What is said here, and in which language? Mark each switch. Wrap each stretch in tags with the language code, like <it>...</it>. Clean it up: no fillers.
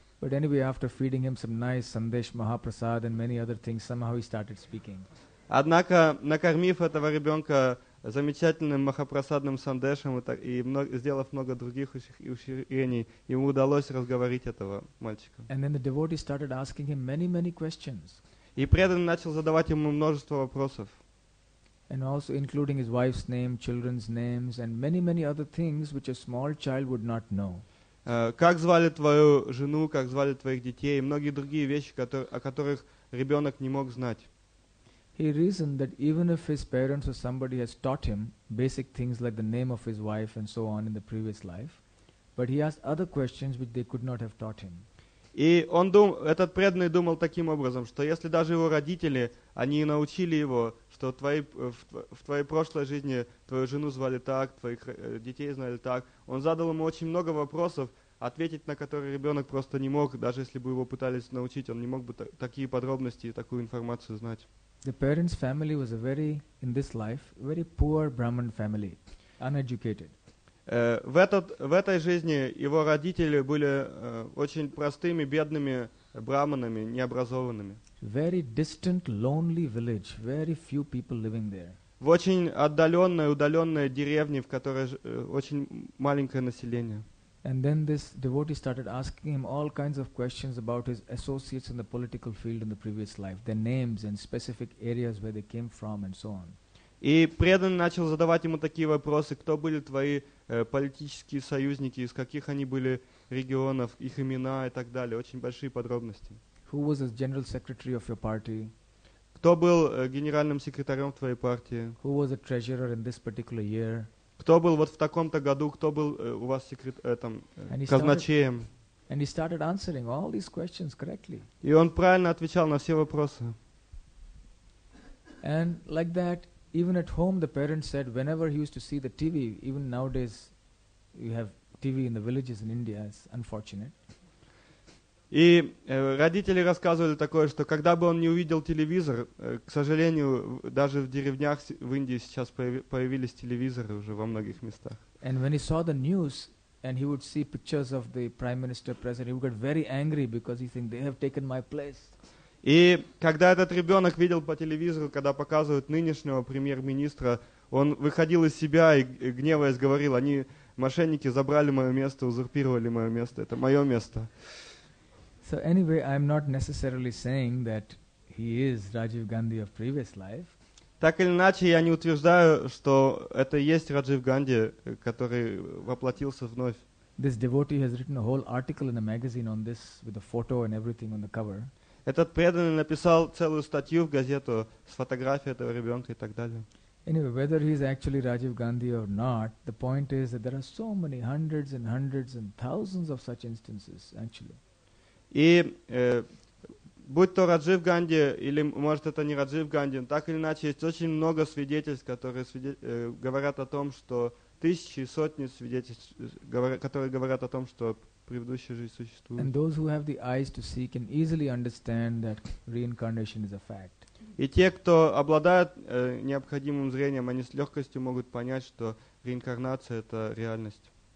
<en>But anyway, after feeding him some nice Sandesh Mahaprasad and many other things, somehow he started speaking.</en> <ru>Однако, накормив этого ребенка замечательным махапрасадным сандешем сделав много других ущерений, ему удалось разговорить этого мальчика.</ru> <en>And then the devotee started asking him many questions.</en> <ru>И преданный начал задавать ему множество вопросов.</ru> <en>And also including his wife's name, children's names, and many other things which a small child would not know.</en> <ru>Как звали твою жену, как звали твоих детей, и многие другие вещи, о которых ребенок не мог знать.</ru> <en>He reasoned that even if his parents or somebody has taught him basic things like the name of his wife and so on in the previous life, but he asked other questions which they could not have taught him.</en> <ru>И этот преданный думал таким образом, что если даже его родители, они научили его, что в твоей прошлой жизни твою жену звали так, твоих детей знали так, он задал ему очень много вопросов, ответить на которые ребенок просто не мог, даже если бы его пытались научить, он не мог бы такие подробности и такую информацию знать.</ru> <en>The parents' family was in this life, a very poor Brahmin family, uneducated.</en> <ru>В этой жизни его родители были очень простыми, бедными браманами, необразованными.</ru> <en>Very distant, lonely village, very few people living there.</en> <ru>в очень отдаленной, удаленной деревне, в которой очень маленькое население.</ru> <en>And then this devotee started asking him all kinds of questions about his associates in the political field in the previous life, their names and specific areas where they came from and so on.</en> <ru>И преданный начал задавать ему такие вопросы: кто были твои политические союзники, из каких они были регионов, их имена и так далее, очень большие подробности.</ru> <en>Who was the general secretary of your party?</en> <ru>Кто был генеральным секретарем твоей партии?</ru> <en>Who was the treasurer in this particular year?</en> <ru>Кто был вот в таком-то году, кто был у вас казначеем?</ru> <en>And he started answering all these questions correctly.</en> <ru>И он правильно отвечал на все вопросы.</ru> <en>And like that, even at home, the parents said, whenever he used to see the TV, even nowadays, you have TV in the villages in India, it's unfortunate.</en> <ru>И родители рассказывали такое, что когда бы он не увидел телевизор, к сожалению, даже в деревнях в Индии сейчас появились телевизоры уже во многих местах.</ru> <en>And when he saw the news, and he would see pictures of the prime minister, president, he would get very angry because he think they have taken my place.</en> <ru>И когда этот ребенок видел по телевизору, когда показывают нынешнего премьер-министра, он выходил из себя и гневаясь говорил: они, мошенники, забрали мое место, узурпировали мое место, это мое место.</ru> <en>So anyway, I'm not necessarily saying that he is Rajiv Gandhi of previous life.</en> <ru>Так или иначе, я не утверждаю, что это есть Раджив Ганди, который воплотился вновь.</ru> <en>This devotee has written a whole article in a magazine on this with a photo and everything on the cover.</en> <ru>Этот преданный написал целую статью в газету с фотографией этого ребенка и так далее.</ru> <en>Anyway, whether he is actually Rajiv Gandhi or not, the point is that there are so many hundreds and hundreds and thousands of such instances actually.</en> <ru>И будь то Раджив Ганди, или может это не Раджив Ганди, так или иначе есть очень много свидетельств, которые говорят о том, что тысячи и сотни свидетельств, которые говорят о том, что предыдущая жизнь существует.</ru> <en>And those who have the eyes to see can easily understand that reincarnation is a fact.</en> <ru>И те, кто обладают необходимым зрением, они с легкостью могут понять, что реинкарнация — это реальность.</ru>